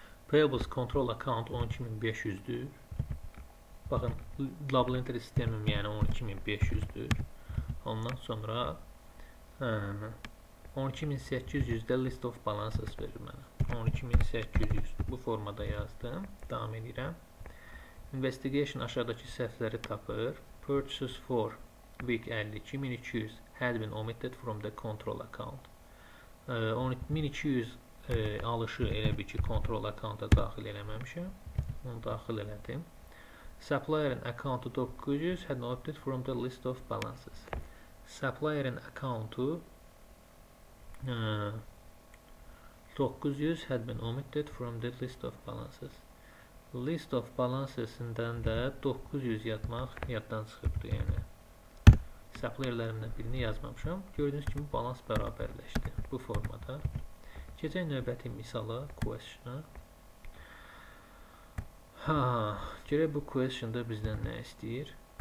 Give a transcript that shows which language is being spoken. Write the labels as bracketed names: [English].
[Azerbaijani] Payables control account 12500-dür. Baxın, label enter sistemim yəni 12500-dür. Ondan sonra 12800-də list of balances verir mənə. 12800 bu formada yazdım. Davam edirəm. Investigation aşağıdakı səhvləri tapır. [English] Purchases for week 52200 had been omitted from the control account. [Azerbaijani] 12200 alışı elə bir ki control account-a daxil eləməmişəm. Onu daxil elədim. [English] Supplier'in account-u 900 had been omitted from the list of balances. Supplier'in account-u 900 had been omitted from the list of balances. [Azerbaijani] List of balances-ından da 900 yatmaq yaddan çıxıbdır. Yəni supplier-lərimdən birini yazmamışam. Gördüyünüz kimi balans bərabərləşdi bu formada. Keçək növbəti misala, question-a. Ha, görək bu question-da bizdən nə istəyir?